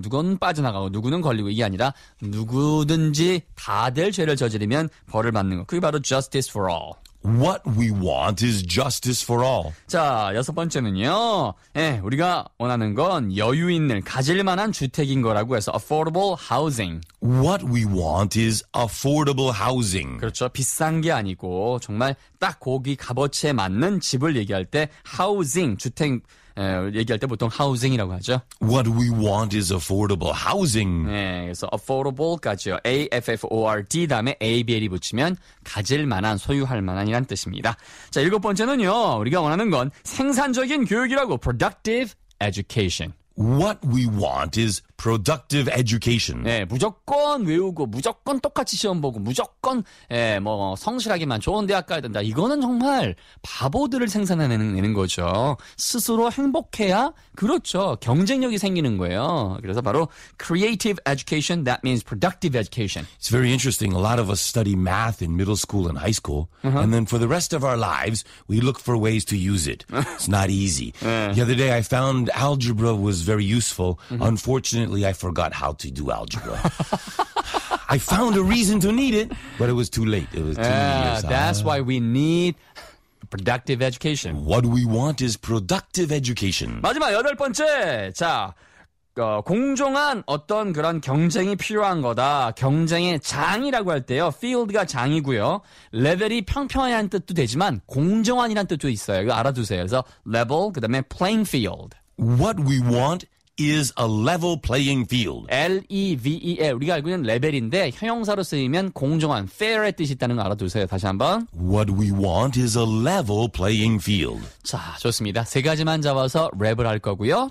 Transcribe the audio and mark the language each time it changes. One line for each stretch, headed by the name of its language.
Korean: 누군 빠져나가고 누구는 걸리고 이게 아니라 누구든지 다들 죄를 저지르면 벌을 받는 거. 그게 바로
English: justice for all. What we want is justice for all.
Korean: 자, 여섯 번째는요. 예, 네, 우리가 원하는 건 여유 있는, 가질 만한 주택인 거라고 해서 affordable housing.
English: What we want is affordable housing.
Korean: 그렇죠. 비싼 게 아니고 정말 딱 고기 값어치에 맞는 집을 얘기할 때 housing, 주택 얘기할 때 보통 housing이라고 하죠.
English: What we want is affordable housing.
Korean: 네, 그래서 affordable까지요. A-F-F-O-R-D 다음에 A-B-L이 붙이면 가질 만한, 소유할 만한이란 뜻입니다. 자, 일곱 번째는요. 우리가 원하는 건 생산적인 교육이라고 productive education.
English: What we want is productive education.
Korean: 네, 무조건 외우고 무조건 똑같이 시험 보고 무조건 예, 뭐 성실하게만 좋은 대학 가야 된다. 이거는 정말 바보들을 생산해내는 거죠. 스스로 행복해야 그렇죠. 경쟁력이 생기는 거예요. 그래서 바로
English: creative education, that means productive education. It's very interesting. A lot of us study math in middle school and high school. Uh-huh. And then for the rest of our lives, we look for ways to use it. It's not easy. 네. The other day I found algebra was very useful. Uh-huh. Unfortunately, I forgot how to do algebra. I found a reason to need it, but it was too late. It was too many years. That's why we need productive education. What we want is productive education.
Korean: 마지막 여덟 번째. 자, 공정한 어떤 그런 경쟁이 필요한 거다. 경쟁의 장이라고 할 때요. Field가 장이고요. Level이 평평한 뜻도 되지만 공정한이란 뜻도 있어요. 이거 알아두세요. 그래서 level, 그 다음에 playing field.
English: What we want is a level playing field. L-E-V-E-L.
Korean: 우리가 알고 있는 레벨인데 형용사로 쓰이면 공정한, fair의 뜻이 있다는 거 알아두세요. 다시 한번.
English: What we want is a level playing field.
Korean: 자, 좋습니다. 세 가지만 잡아서 랩을 할 거고요.